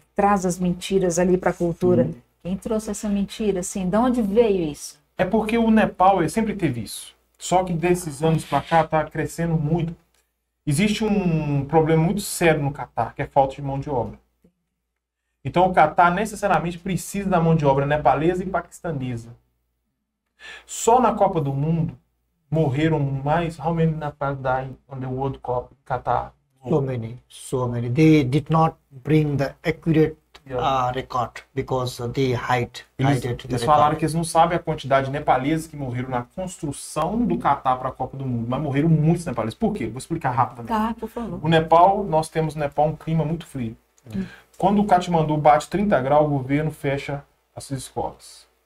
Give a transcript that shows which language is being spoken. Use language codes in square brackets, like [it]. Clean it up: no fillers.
[pt] Traz as mentiras ali para a cultura. Sim. Quem trouxe essa mentira, assim, de onde veio isso? É porque o Nepal sempre teve isso. Só que desses anos para cá está crescendo muito. Existe um problema muito sério no Catar, que é falta de mão de obra. Então o Catar necessariamente precisa da mão de obra nepalesa e paquistanesa. Só na Copa do Mundo, morreram mais, [en] how many Nepal died on the World Cup in Qatar? So many. They did not bring the accurate record because they hide it. [pt] Eles falaram que eles não sabem a quantidade de nepaleses que morreram na construção do Qatar para a Copa do Mundo, mas morreram muitos nepaleses. Por quê? Vou explicar rapidamente. Tá, por favor. O Nepal, nós temos no Nepal um clima muito frio. Quando o Katmandu bate 30 graus, o governo fecha as escolas.